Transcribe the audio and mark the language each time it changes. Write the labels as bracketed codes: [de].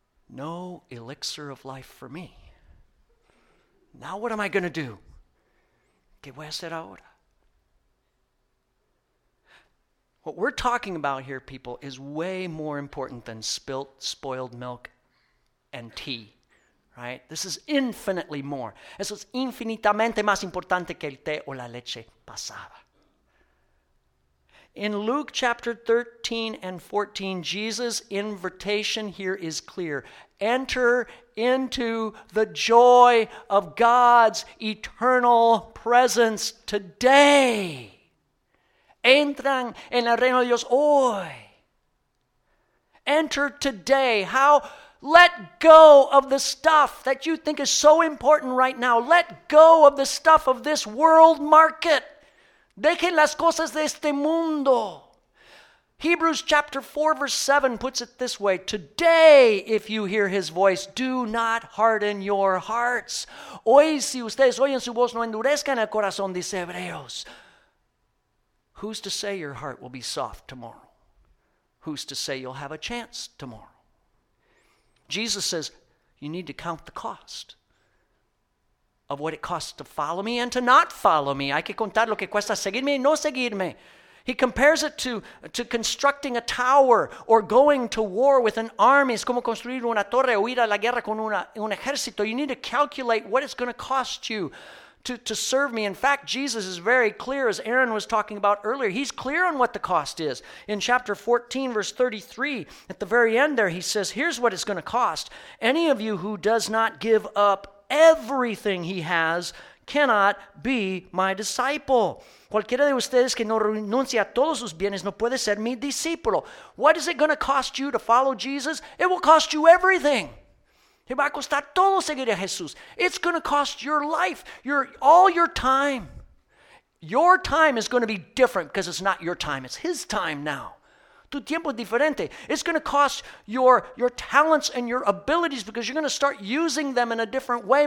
[en] No elixir of life for me. Now what am I going to do? [es] ¿Qué voy a hacer ahora? [en] What we're talking about here, people, is way more important than spilt, spoiled milk and tea, right? This is infinitely more. [es] Eso es infinitamente más importante que el té o la leche pasada. [en] In Luke chapter 13 and 14, Jesus' invitation here is clear. Enter into the joy of God's eternal presence today. [es] Entran en el reino de Dios hoy. [en] Enter today. How? Let go of the stuff that you think is so important right now. Let go of the stuff of this world market. [es] Dejen las cosas de este mundo. [en] Hebrews chapter 4 verse 7 puts it this way. Today, if you hear his voice, do not harden your hearts. [es] Hoy, si ustedes oyen su voz, no endurezcan el corazón, dice Hebreos. [en] Who's to say your heart will be soft tomorrow? Who's to say you'll have a chance tomorrow? Jesus says, you need to count the cost of what it costs to follow me and to not follow me. [es] Hay que contar lo que cuesta seguirme y no seguirme. [en] He compares it to constructing a tower or going to war with an army. [es] Es como construir una torre o ir a la guerra con un ejército. [en] You need to calculate what it's going to cost you to serve me. In fact, Jesus is very clear, as Aaron was talking about earlier. He's clear on what the cost is. In chapter 14, verse 33, at the very end there, he says, here's what it's going to cost. Any of you who does not give up everything he has cannot be my disciple. [es] Cualquiera de ustedes que no renuncie a todos sus bienes no puede ser mi discípulo. [en] What is it going to cost you to follow Jesus? It will cost you everything. [es] Te va a costar todo seguir a Jesús. [en] It's going to cost your life, all your time. Your time is going to be different because it's not your time. It's his time now. [es] Tu tiempo es diferente. [en] It's going to cost your talents and your abilities because you're going to start using them in a different way.